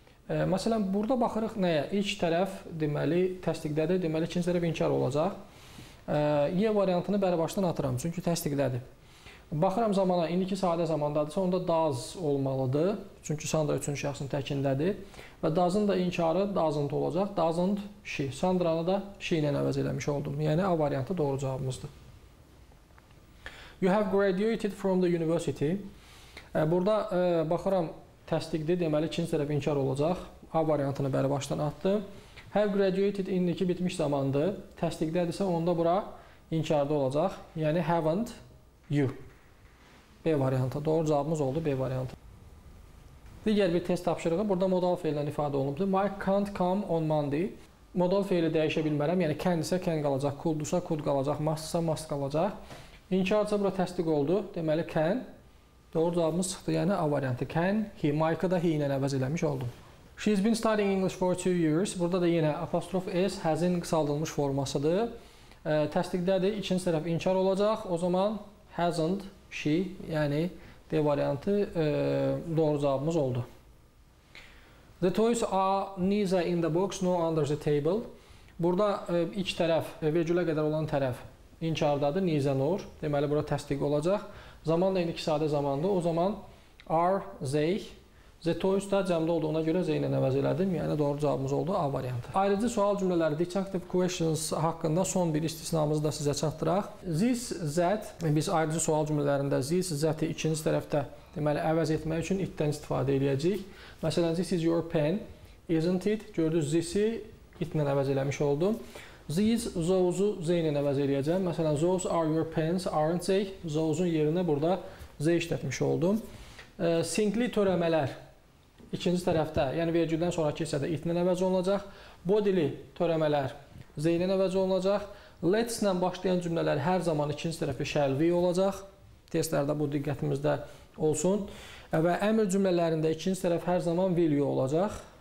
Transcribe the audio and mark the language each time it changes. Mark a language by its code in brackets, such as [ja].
[az] Məsələn, burada baxırıq nəyə? İlk tərəf deməli təsdiqdədir, deməli ikinci tərəf inkar olacaq. Y variantını bərbaşdan atıram, çünki təsdiqdədir. Baxıram zamana, indiki sadə zamandadırsa, onda does olmalıdır. Çünki Sandra üçüncü şəxsin təkindədir. Və doesn't da inkarı doesn't olacaq, doesn't she. Sandra'nı da she ilə əvəz eləmiş oldum. Yəni A variantı doğru cavabımızdır. [en] You have graduated from the university. [az] Burada baxıram təsdiqdir, deməli ikinci tərəf inkar olacaq. A variantını bəri başdan atdım. Have graduated indiki bitmiş zamandır. Təsdiqdədirsə onda bura inkarda olacaq. Yəni haven't you. B variantı. Doğru cavabımız oldu B variantı. Digər bir test tapşırığı burada modal fiillə ifadə olunubdur. [en] Mike can't come on Monday. [az] Modal fiili dəyişə bilmərəm. Yəni can isə can qalacaq, could-dusa could qalacaq, must-sa must qalacaq. İnkarca bura təsdiq oldu. Deməli, can. Doğru cavabımız çıxdı. Yəni, A variantı. Can, he. Mike'ı da he ilə əvəz eləmiş oldum. [en] She's been studying English for 2 years. [az] Burada da yenə apostrof S, has-in qısaldılmış formasıdır. Təsdiqdədir. İkinci tərəf inkar olacaq. O zaman, hasn't, she. Yəni, D variantı doğru cavabımız oldu. [en] The toys are neither in the box nor under the table. [az] Burada iki tərəf, vergülə qədər olan tərəf. İnkardadır, neither nor. Deməli, bura təsdiq olacaq. Zaman da indiki sadə zamandır. O zaman are they. The toys da cəmdə olduğuna görə they ilə əvəz elədim. Yəni, doğru cavabımız oldu A variantı. Ayrıcı sual cümlələri, deductive questions haqqında son bir istisnamızı da sizə çatdıraq. This, that. Biz ayrıcı sual cümlələrində this, that-i ikinci tərəfdə deməli, əvəz etmək üçün it-dən istifadə edəcəyik. [en] Məsələn, this is your pen, isn't it? [az] Gördünüz, this-i it-lə əvəz eləmiş oldum. These, those-u they-lə əvəz eləyəcəm. [en] Məsələn, those are your pens, aren't they? [az] Those-un yerinə burada they işlətmiş oldum. Singli törəmələr ikinci tərəfdə, yəni vergüldən sonra keçsədə it-lə əvəz olunacaq. Bodily törəmələr they-lə əvəz olunacaq. Let's-lə başlayan cümlələr hər zaman ikinci tərəfi shall we olacaq. Testlərdə bu diqqətimizdə olsun. Və əmr cümlələrində ikinci tərəf hər zaman will you olacaq.